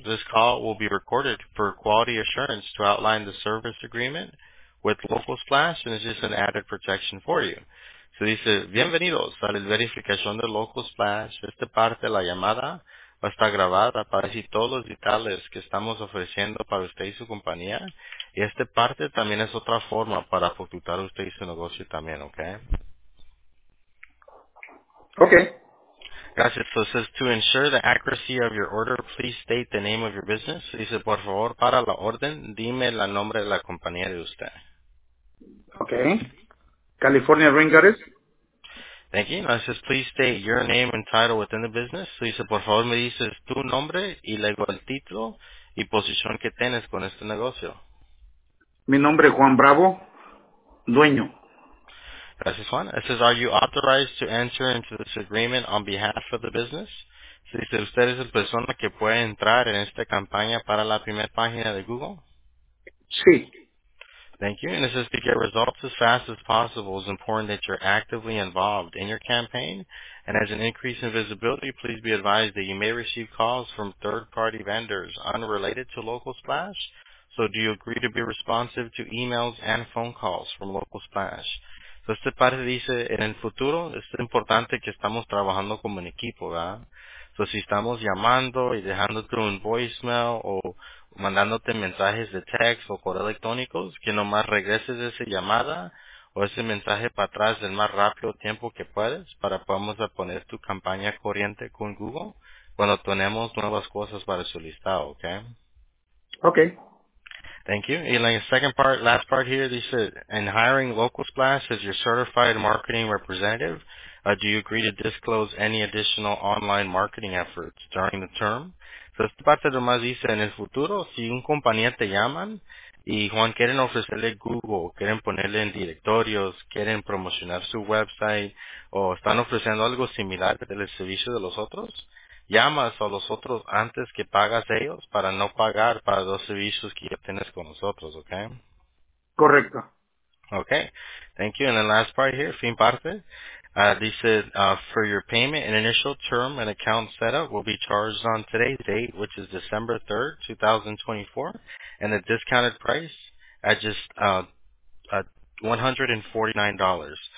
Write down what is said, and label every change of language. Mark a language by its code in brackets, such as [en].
[en] This call will be recorded for quality assurance to outline the service agreement with Local Splash, and it's just an added protection for you. [es] So dice, bienvenidos a la verificación de Local Splash. Esta parte de la llamada va a estar grabada para decir todos los detalles que estamos ofreciendo para usted y su compañía. Y esta parte también es otra forma para facturar usted y su negocio también, ¿okay? [en] Okay. [es] Gracias. [en] So it says, to ensure the accuracy of your order, please state the name of your business. [es] Dice, por favor, para la orden, dime el nombre de la compañía de usted. [en] Okay. California Ring Gutters. Thank you. Now it says, please state your name and title within the business. [es] So dice, por favor, me dices tu nombre y luego el título y posición que tienes con este negocio. Mi nombre es Juan Bravo, dueño. Gracias, Juan. [en] It says, are you authorized to enter into this agreement on behalf of the business? [es] So dice, usted es la persona que puede entrar en esta campaña para la primera página de Google? Sí. [en] Thank you. And it says, to get results as fast as possible, it's important that you're actively involved in your campaign. And as an increase in visibility, please be advised that you may receive calls from third-party vendors unrelated to Local Splash. So do you agree to be responsive to emails and phone calls from Local Splash? [es] So este parte dice, en el futuro, es importante que estamos trabajando como un equipo, ¿verdad? So si estamos llamando y dejándote un voicemail o mandándote mensajes de text o correo electrónicos, que nomás regreses esa llamada o ese mensaje para atrás el más rápido tiempo que puedes para podamos poner tu campaña corriente con Google cuando tenemos nuevas cosas para su listado, ¿ok? [en] Ok. Thank you. And like the second part, last part here, they said, in hiring Local Splash as your certified marketing representative, do you agree to disclose any additional online marketing efforts during the term? [es] So esta parte nomás dice, en el futuro, si un compañía te llaman y Juan quieren ofrecerle Google, quieren ponerle en directorios, quieren promocionar su website o están ofreciendo algo similar del servicio de los otros, llamas a los otros antes que pagas ellos para no pagar para los servicios que ya tienes con nosotros, ¿ok? Correcto. [en] Ok. Thank you. And the last part here, [es] fin parte. [en] Dice, for your payment, an initial term and account setup will be charged on today's date, which is December 3rd, 2024, and the discounted price at just $149.